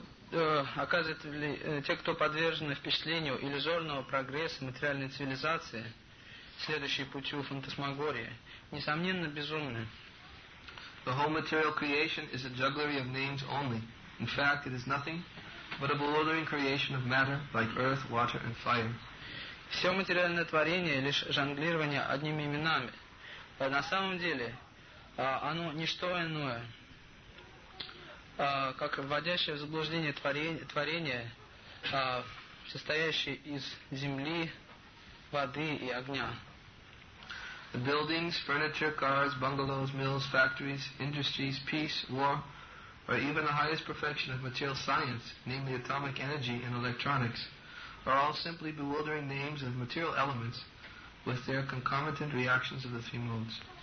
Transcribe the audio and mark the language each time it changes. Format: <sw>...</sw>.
<ru>Те, кто подвержены впечатлению иллюзорного прогресса материальной цивилизации, следующей путью фантасмагории, несомненно, безумны.</ru> <en>The whole material creation is a jugglery of names only. In fact, it is nothing but a bewildering creation of matter, like earth, water, and fire.</en> <ru>Все материальное творение — лишь жонглирование одними именами. На самом деле, оно — ничто иное, как вводящее в заблуждение творение, состоящее из земли, воды и огня.</ru> <en>The buildings, furniture, cars, bungalows, mills, factories, industries, peace, war, or even the highest perfection of material science, namely atomic energy and electronics, are all simply bewildering names of material elements with their concomitant reactions of the three modes.</en>